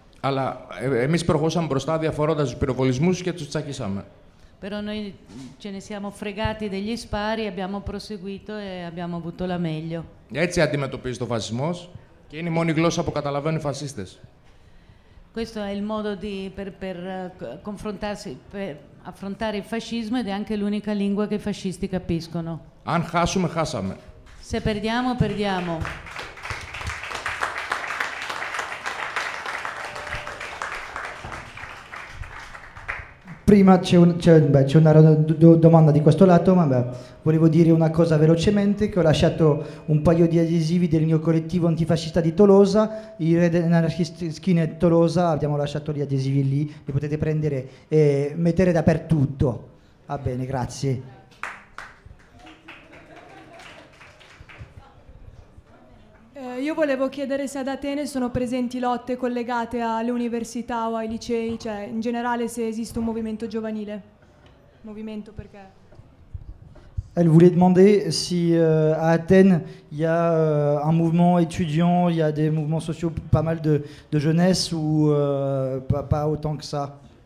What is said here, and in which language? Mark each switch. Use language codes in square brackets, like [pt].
[el] Αλλά εμείς προχώσαμε μπροστά διαφορώντας τους πυροβολισμούς και τους τσακίσαμε. [it] però noi ce ne siamo fregati degli spari, abbiamo proseguito e abbiamo avuto la meglio. [el] Έτσι αντιμετωπίζει το φασισμός και είναι η μόνη γλώσσα που καταλαβαίνουν οι φασίστες. [it] Questo è il modo di per confrontarsi, per affrontare il fascismo ed è anche l'unica lingua che i fascisti capiscono. [el] Αν χάσουμε, χάσαμε. [it] Se perdiamo, perdiamo. Prima c'è una domanda di questo lato, ma beh, volevo dire una cosa velocemente, che ho lasciato un paio di adesivi del mio collettivo antifascista di Tolosa, i Red Anarchist Skinhead Tolosa, abbiamo lasciato gli adesivi lì, li potete prendere e mettere dappertutto. Va bene, grazie. Io volevo chiedere se ad Atene sono presenti lotte collegate alle università o ai licei, cioè in generale se esiste un movimento giovanile. Movimento perché? [fr] Elle voulait demander si à Athènes il y a un mouvement étudiant, il y a des mouvements sociaux pas mal de jeunesse ou pas autant que ça.